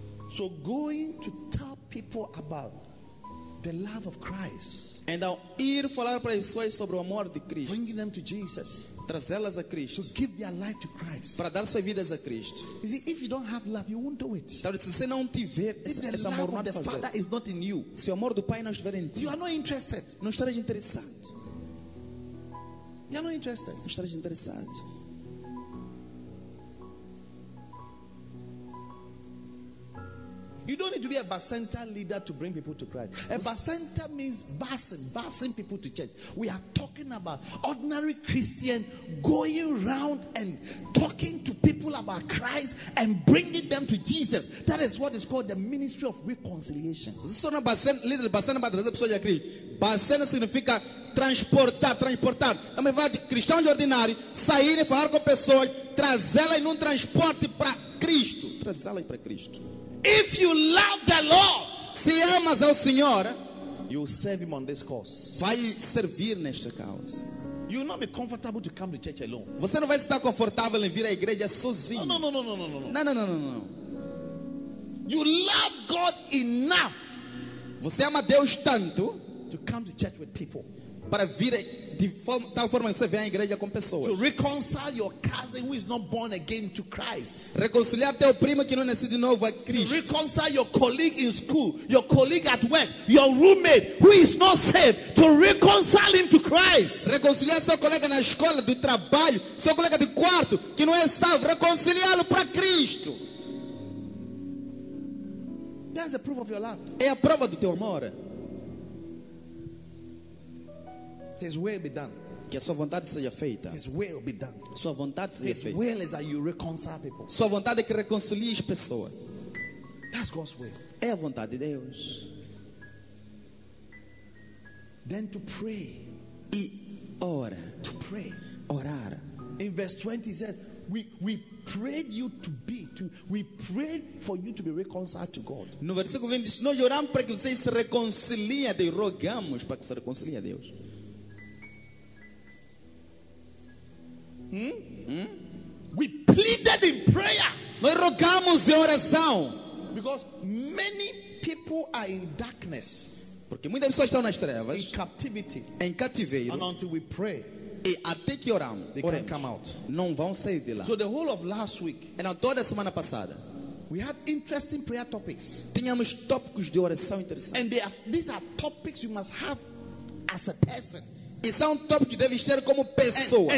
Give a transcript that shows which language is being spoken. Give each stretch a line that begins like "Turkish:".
English: So going to tell people about the love of Christ.
Portuguese: And ao ir falar para as pessoas sobre o amor de Cristo,
English: bringing them to Jesus,
Portuguese: trazê-las a Cristo,
English: to give their life to Christ,
Portuguese: para dar suas vidas a Cristo.
English: You see, if you don't have love, you won't do it.
Portuguese: Então, se você não tiver esse amor, não vai fazer.
English: Father is not in you,
Portuguese: se o amor do Pai não estiver em ti,
English: you are not interested.
Portuguese: Não estarás interessado.
English: You are not interested.
Portuguese: Não estarás interessado.
English: You don't need to be a basenta leader to bring people to Christ. A basenta means basing people to church. We are talking about ordinary Christian going around and talking to people about Christ and bringing them to Jesus. That is what is called the ministry of reconciliation.
Portuguese: Isso não é basenta leader, basenta é trazer pessoas a Cristo. Basenta significa transportar. Então, vai de cristão de ordinário, sair e falar com pessoas, trazê-las em um transporte para Cristo. Trazê-las para Cristo.
English: If you love the Lord,
Portuguese: se amas ao Senhor,
English: you will serve him on this cause.
Portuguese: Vai servir nesta causa.
English: You will not be comfortable to come to church alone.
Portuguese: Você não vai estar confortável em vir à igreja sozinho.
English: No, no, no, no, no, no, no.
Portuguese: Não, não, não, não, não.
English: You love God enough.
Portuguese: Você ama Deus tanto
English: to come to church with people.
Portuguese: Para vir de tal forma que você vem à igreja com pessoas.
English: To reconcile your cousin who is not born again to Christ.
Portuguese: Reconciliar teu primo que não nasceu de novo a Cristo.
English: To reconcile your colleague in school, your colleague at work, your roommate who is not saved. To reconcile him to Christ.
Portuguese: Reconciliar seu colega na escola, do trabalho, seu colega de quarto que não é salvo. Reconciliá-lo para Cristo.
English: That's a proof of your love.
Portuguese: É a prova do teu amor.
English: His will be done.
Portuguese: Que a sua vontade seja feita.
English: His will be done.
Portuguese: Sua vontade seja
English: His
Portuguese: feita.
English: Will is that you reconcile people.
Portuguese: Sua vontade é que reconcilie as pessoas.
English: That's God's will.
Portuguese: É a vontade de Deus.
English: Then to pray.
Portuguese: E ora.
English: To pray.
Portuguese: Orar.
English: In verse 20 he said, we prayed you to be to we prayed for you to be reconciled to God.
Portuguese: No versículo 20 diz, nós oramos para que vocês se reconciliem, e rogamos para que se reconciliem a Deus.
English: We pleaded in prayer.
Portuguese: Nós rogamos em oração.
English: Because many people are in darkness.
Portuguese: Porque muitas pessoas estão nas trevas.
English: In captivity.
Portuguese: Em cativeiro.
English: And until we pray,
Portuguese: e até que oramos,
English: they can't come out.
Portuguese: Não vão sair de lá.
English: So the whole of last week,
Portuguese: and toda a semana passada,
English: we had interesting prayer topics.
Portuguese: Tínhamos tópicos de oração interessantes.
English: And these are topics you must have as a person.
Portuguese: E são tópicos que devem ser como pessoa.